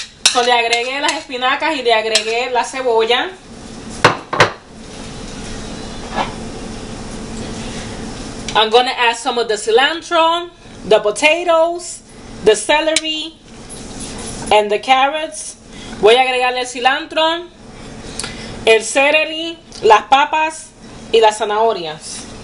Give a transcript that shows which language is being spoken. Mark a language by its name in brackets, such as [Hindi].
[Spanish] So le agregué las espinacas y le agregué la cebolla. [English] I'm gonna add some of the cilantro, the potatoes, the celery, and the carrots. [Spanish] Voy a agregarle el cilantro, el celery, las papas, y las zanahorias.